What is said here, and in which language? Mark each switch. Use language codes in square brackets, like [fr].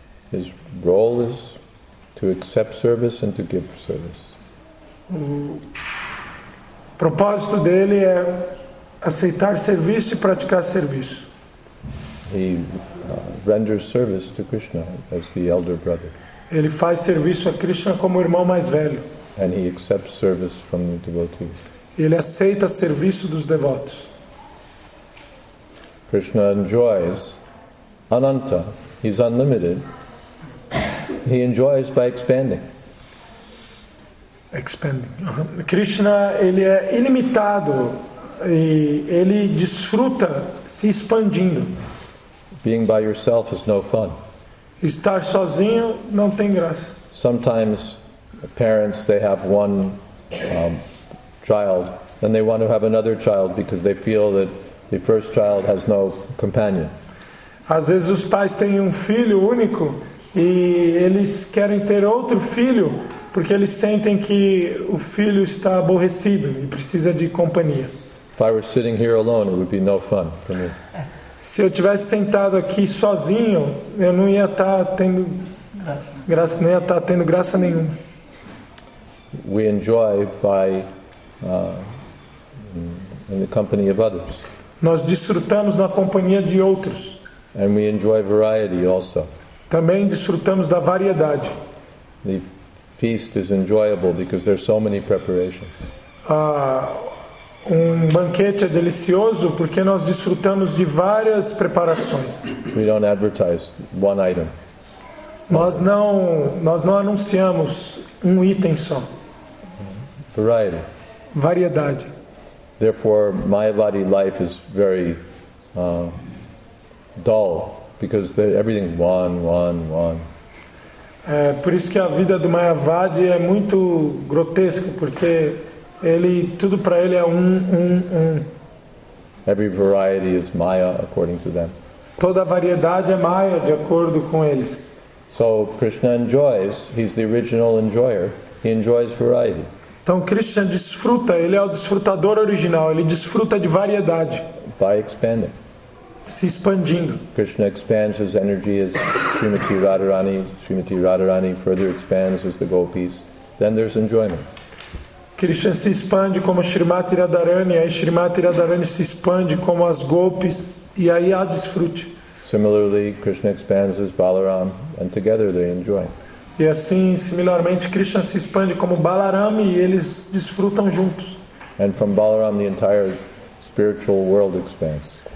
[en] His role is to accept service and to give service. [pt] O propósito dele é aceitar serviço e praticar serviço. [en] He renders service to Krishna as the elder brother. [pt] Ele faz serviço a Krishna como o irmão mais velho. [en] And he accepts service from the devotees. [pt] Ele aceita serviço dos devotos. [en] Krishna enjoys ananta. He's unlimited. He enjoys by expanding. Expanding. Uh-huh. [pt] Krishna, ele é ilimitado e ele desfruta se expandindo. [en] Being by yourself is no fun. [pt] Estar sozinho não tem graça. [en] Sometimes parents, they have one child and they want to have another child because they feel that the first child has no companion. [pt] Às vezes os pais têm um filho único e eles querem ter outro filho porque eles sentem que o filho está aborrecido e precisa de companhia. [en] If I were sitting here alone, it would be no fun for me. [pt] Se eu tivesse sentado aqui sozinho, eu não ia estar tendo graça, não ia estar tendo graça nenhuma. [en] We enjoy by in the company of others. [pt] Nós desfrutamos na companhia de outros. [en] And we enjoy variety also. [pt] Também desfrutamos da variedade. [en] The feast is enjoyable because there's so many preparations. [pt] Um banquete é delicioso porque nós desfrutamos de várias preparações. [en] We don't advertise one item. [pt] Nós não anunciamos um item só. [en] Variety. [pt] Variedade. [en] Therefore, my body life is very dull because everything one. [pt] É por isso que a vida do Mayavadi é muito grotesca, porque ele, tudo para ele é um. [en] Every variety is Maya according to them. [pt] Toda variedade é Maya de acordo com eles. [en] So Krishna enjoys, he's the original enjoyer. He enjoys variety. [pt] Então Krishna desfruta, ele é o desfrutador original, ele desfruta de variedade. [en] By expanding. [pt] Se expandindo. [en] Krishna expands his energy as Srimati Radharani. Srimati Radharani further expands as the gopis. Then there's enjoyment. [pt] Krishna se expande como Srimati Radharani, aí Srimati Radharani se expande como as gopis, e aí há desfrute. [en] Similarly, Krishna expands as Balaram, and together they enjoy. [pt] E assim, similarmente, Krishna se expande como Balaram e eles desfrutam juntos. [en] And from Balaram, the entire spiritual world expands.